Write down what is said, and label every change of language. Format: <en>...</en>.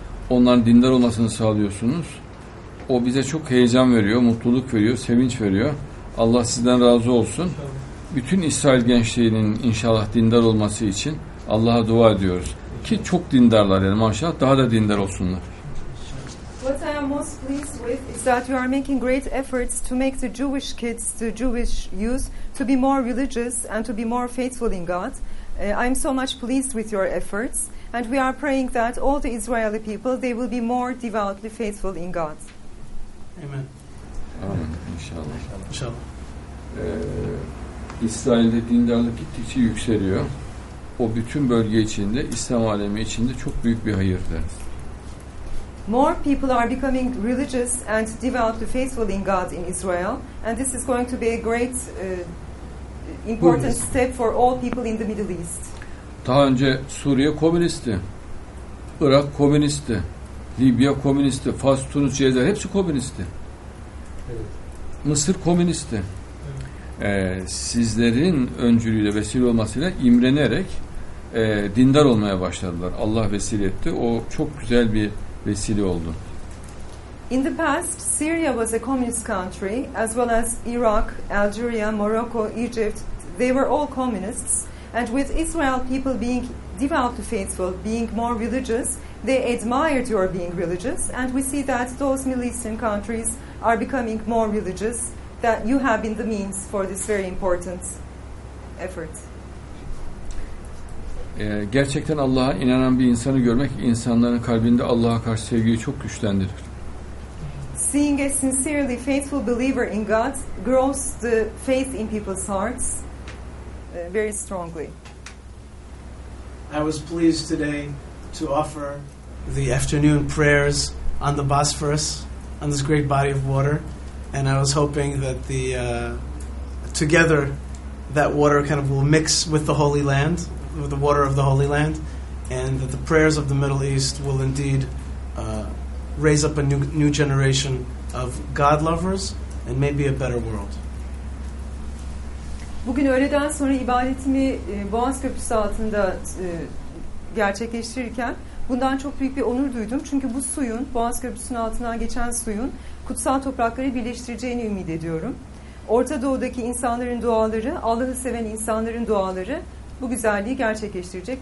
<tr>Onların dindar olmasını sağlıyorsunuz. O bize çok heyecan veriyor, mutluluk veriyor, sevinç veriyor. Allah sizden razı olsun. Bütün İsrail gençliğinin inşallah dindar olması için Allah'a dua ediyoruz. Ki çok dindarlar yani maşallah, daha da dindar olsunlar.</tr> <en>What I am most pleased with is that you are making great efforts to make the Jewish kids, the Jewish youth, to be more religious and to be more faithful in God. I am so much pleased with your efforts. And we are praying that all the Israeli people, they will be more devoutly faithful in God. Amen.</en> <tr>Amen. İnşallah. İnşallah. İsrail'de dindarlık gittikçe yükseliyor. O bütün bölge içinde, İslam alemi içinde çok büyük bir hayırdır.</tr> <en>More people are becoming religious and devoutly faithful in God in Israel, and this is going to be a great important step for all people in the Middle East.</en> <tr>Daha önce Suriye komünistti, Irak komünistti, Libya komünistti, Fas, Tunus, Cezayir hepsi komünistti. Evet. Mısır komünistti. Evet. Sizlerin öncülüğüyle, vesile olmasıyla imrenerek dindar olmaya başladılar. Allah vesile etti. O çok güzel bir vesile oldu.</tr> <en>In the past, Syria was a communist country, as well as Iraq, Algeria, Morocco, Egypt. They were all communists. And with Israel people being devoutly faithful, being more religious, they admired your being religious. And we see that those Middle Eastern countries are becoming more religious, that you have been the means for this very important effort.</en> <tr>Gerçekten Allah'a inanan bir insanı görmek, insanların kalbinde Allah'a karşı sevgiyi çok güçlendirir.</tr> <en>Seeing a sincerely faithful believer in God grows the faith in people's hearts very strongly. I was pleased today to offer the afternoon prayers on the Bosphorus, on this great body of water, and I was hoping that the together that water kind of will mix with the Holy Land, with the water of the Holy Land, and that the prayers of the Middle East will indeed raise up a new generation of God lovers and maybe a better world.</en> <tr>Bugün öğleden sonra ibadetimi Boğaz Köprüsü altında gerçekleştirirken bundan çok büyük bir onur duydum. Çünkü bu suyun, Boğaz Köprüsü'nün altından geçen suyun kutsal toprakları birleştireceğini ümit ediyorum. Orta Doğu'daki insanların duaları, Allah'ı seven insanların duaları bu güzelliği gerçekleştirecek.</tr>